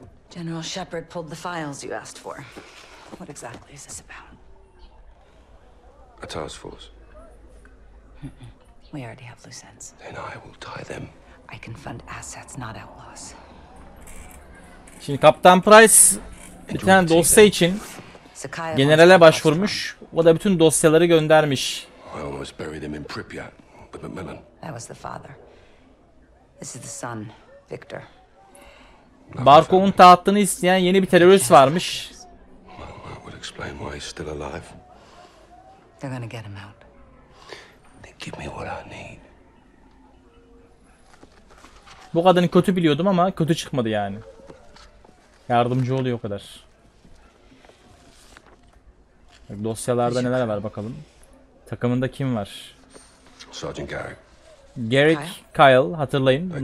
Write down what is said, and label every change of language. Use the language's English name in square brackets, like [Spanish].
[English] General Shepard pulled the files you asked for. What exactly is this about? A task force. We already have loose ends. Then I will tie them. I can fund assets, not outlaws. [Turkish] Şimdi Kaptan Price bir tane dosya için generale başvurmuş. O da bütün dosyaları göndermiş. [English] I almost buried them in Pripyat with McMillan. That was the father. This is the son, Victor. [Turkish] Barkov'un tahtını isteyen yeni bir terörist varmış. [English] Well, that would explain why he's still alive. They're gonna get him out. Give me what I need. [Turkish] Bu kadını kötü biliyordum ama kötü çıkmadı yani. Yardımcı oluyor o kadar. Dosyalarda neler var bakalım. Takımında kim var? [English] Sergeant Gary. [Turkish] Garrick, Kyle, hatırlayın.